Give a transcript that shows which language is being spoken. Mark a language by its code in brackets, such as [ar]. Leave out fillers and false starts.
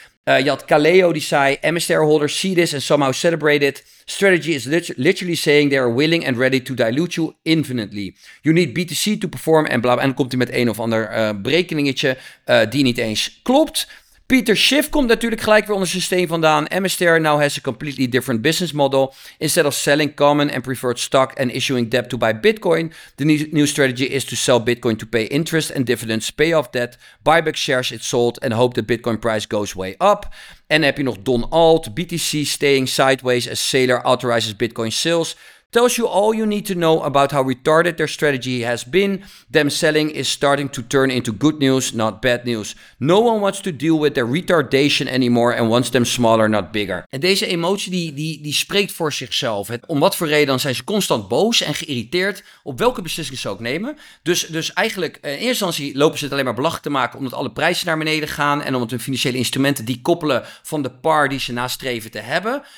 [nl] Je had Kaleo die zei, [en] MSTR holders see this and somehow celebrate it. Strategy is literally saying they are willing and ready to dilute you infinitely. You need BTC to perform en bla. [nl] En dan komt hij met een of ander berekeningetje die niet eens klopt. Peter Schiff komt natuurlijk gelijk weer onder zijn steen vandaan. [en] MSTR now has a completely different business model. Instead of selling common and preferred stock and issuing debt to buy Bitcoin, the new strategy is to sell Bitcoin to pay interest and dividends, pay off debt, buy back shares it sold and hope the Bitcoin price goes way up. [nl] En dan heb je nog [en] Don Alt, BTC staying sideways as Saylor authorizes Bitcoin sales. Tells you all you need to know about how retarded their strategy has been. Them selling is starting to turn into good news, not bad news. No one wants to deal with their retardation anymore and wants them smaller, not bigger. [nl] En deze emotie die spreekt voor zichzelf. Om wat voor reden dan zijn ze constant boos en geïrriteerd op welke beslissing ze ook nemen. Dus eigenlijk, in eerste instantie lopen ze het alleen maar belachelijk te maken omdat alle prijzen naar beneden gaan en omdat hun financiële instrumenten die koppelen van de par die ze nastreven te hebben.